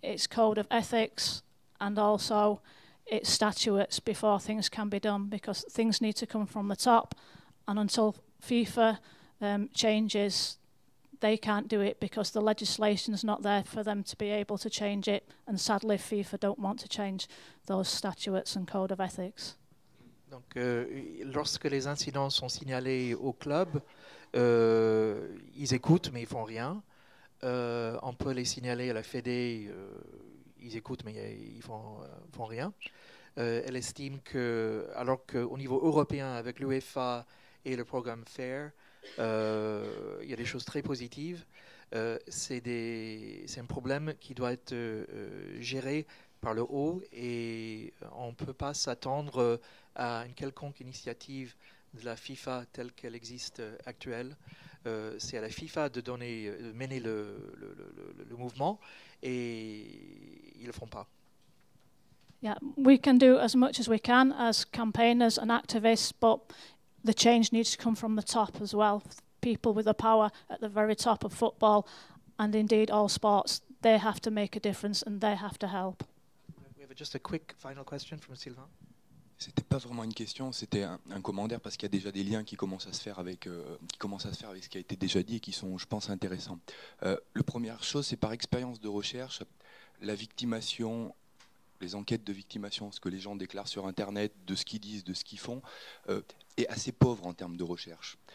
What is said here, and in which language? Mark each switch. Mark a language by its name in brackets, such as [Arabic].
[English] code of ethics and also its statutes before things can be done, because things need to come from the top, and until FIFA changes, they can't do it because the legislation is not there for them to be able to change it. And sadly, FIFA don't want to change those statutes and code of ethics. [French] Donc, lorsque les incidents sont signalés au club, ils écoutent mais ils font rien. On peut les signaler à la Fédé, ils écoutent mais ils font rien. Elle estime que, alors qu'au niveau européen avec l'UEFA et le programme FAIR, il y a des choses très positives. C'est un problème qui doit être géré par le haut et on ne peut pas s'attendre à une quelconque initiative de la FIFA telle qu'elle existe actuelle. C'est à la FIFA de mener le mouvement et ils ne le font pas. [English] Yeah, we can do as much as we can as campaigners and activists, but the change needs to come from the top as well. People with the power at the very top of football and indeed all sports, they have to make a difference and they have to help. We have just a quick final question from Sylvain. [French] C'était pas vraiment une question, c'était un commentaire, parce qu'il y a déjà des liens qui commencent à se faire avec ce qui a été déjà dit et qui sont, je pense, intéressants. La première chose, c'est par expérience de recherche, la victimation, les enquêtes de victimation, ce que les gens déclarent sur Internet, de ce qu'ils disent, de ce qu'ils font, est assez pauvre en termes de recherche.